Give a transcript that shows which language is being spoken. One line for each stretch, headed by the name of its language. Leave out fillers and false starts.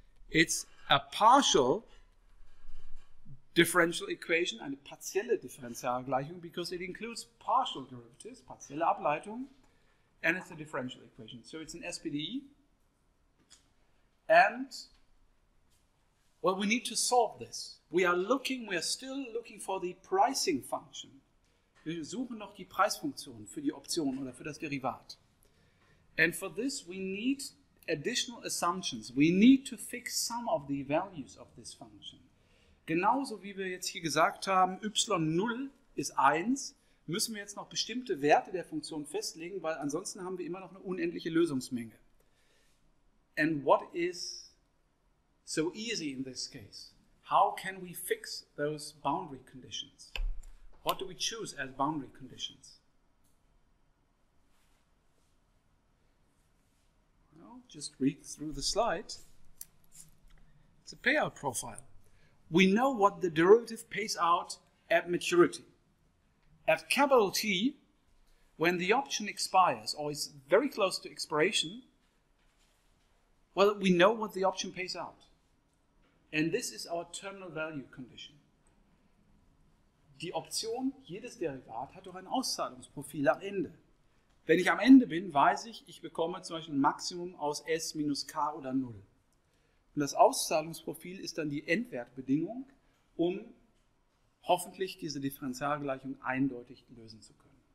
English: It's a partial differential equation,
German: eine partielle Differentialgleichung,
English: because it includes partial derivatives,
German: partielle Ableitung,
English: and it's a differential equation. So it's an SPDE. And, well, we need to solve this. We are still looking for the pricing function.
German: Wir suchen noch die Preisfunktion für die Option oder für das Derivat.
English: And for this, we need additional assumptions. We need to fix some of the values of this function.
German: Genauso wie wir jetzt hier gesagt haben, y0 ist 1, müssen wir jetzt noch bestimmte Werte der Funktion festlegen, weil ansonsten haben wir immer noch eine unendliche Lösungsmenge.
English: And what is so easy in this case? How can we fix those boundary conditions? What do we choose as boundary conditions? Well, just read through the slide. It's a payout profile. We know what the derivative pays out at maturity. At capital T, when the option expires or is very close to expiration, well, we know what the option pays out. And this is our terminal value condition.
German: Die Option, jedes Derivat hat doch ein Auszahlungsprofil am Ende. Wenn ich am Ende bin, weiß ich, ich bekomme zum Beispiel ein Maximum aus S minus K oder 0. Und das Auszahlungsprofil ist dann die Endwertbedingung, um hoffentlich diese Differentialgleichung eindeutig lösen zu können.